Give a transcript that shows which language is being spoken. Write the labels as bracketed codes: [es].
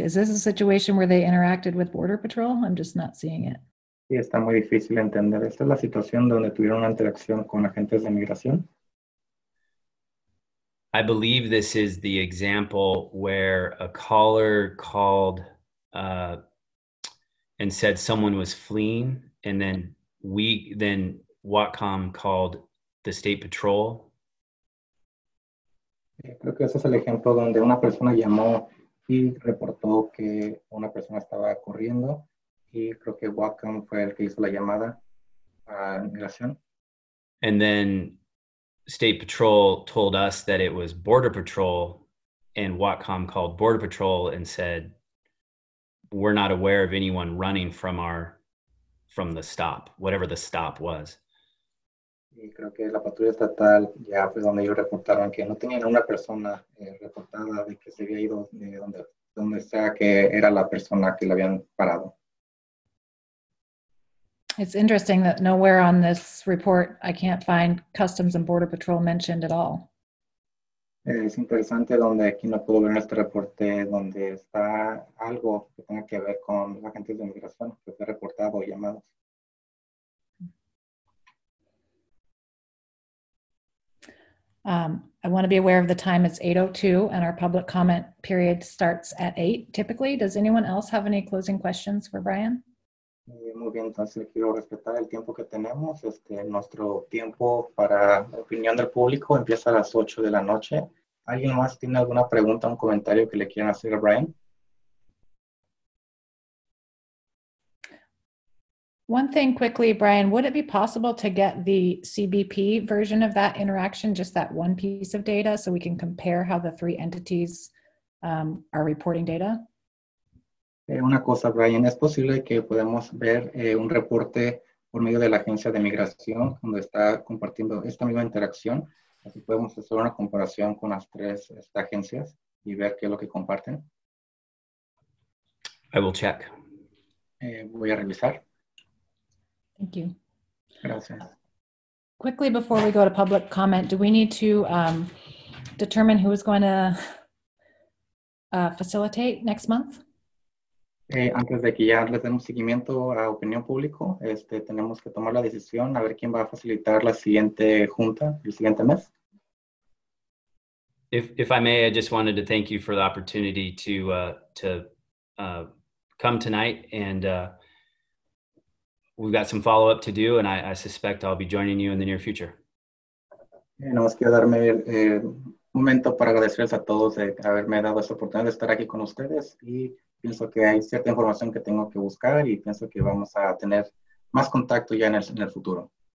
[en] Is this a situation where they interacted with Border Patrol? I'm just not seeing it. [es] Sí, está muy difícil entender. ¿Esta es la situación donde tuvieron una interacción con agentes de migración? [en] I believe this is the example where a caller called and said someone was fleeing, and then Whatcom called the State Patrol. [es] Creo que ese es el ejemplo donde una persona llamó y reportó que una persona estaba corriendo, y creo que Whatcom fue el que hizo la llamada a migración. [en] And then State Patrol told us that it was Border Patrol, and Whatcom called Border Patrol and said, we're not aware of anyone running from the stop, whatever the stop was. [es] Y creo que la patrulla estatal ya fue donde ellos reportaron que no tenían una persona reportada de que se había ido de donde sea que era la persona que la habían parado. [en] It's interesting that nowhere on this report I can't find Customs and Border Patrol mentioned at all. [es] Es interesante donde aquí no puedo ver en este reporte donde está algo que tenga que ver con los agentes de inmigración que fue reportado o llamado. [en] I want to be aware of the time. It's 8:02 and our public comment period starts at 8 typically. Does anyone else have any closing questions for Brian? [es] Muy bien, entonces le quiero respetar el tiempo que tenemos. Nuestro tiempo para opinión del público empieza a las 8 de la noche. ¿Alguien más tiene alguna pregunta, un comentario que le quieran hacer a Brian? [en] One thing quickly, Brian, would it be possible to get the CBP version of that interaction, just that one piece of data, so we can compare how the three entities are reporting data? [es] Una cosa, Brian, ¿es posible que podamos ver un reporte por medio de la agencia de migración donde está compartiendo esta misma interacción? Así podemos hacer una comparación con las tres agencias y ver qué es lo que comparten. [en] I will check. [es] Voy a revisar. [en] Thank you. [es] Gracias. [en] Quickly before we go to public comment, do we need to determine who is going to facilitate next month? [es] Antes de que ya les demos seguimiento a opinión público, tenemos que tomar la decisión a ver quién va a facilitar la siguiente junta, el siguiente mes. [en] If I may, I just wanted to thank you for the opportunity to come tonight and we've got some follow-up to do, and I suspect I'll be joining you in the near future. [es] Nada más quiero darme un momento para agradecerles a todos de haberme dado esta oportunidad de estar aquí con ustedes, y pienso que hay cierta información que tengo que buscar, y pienso que vamos a tener más contacto ya en el futuro.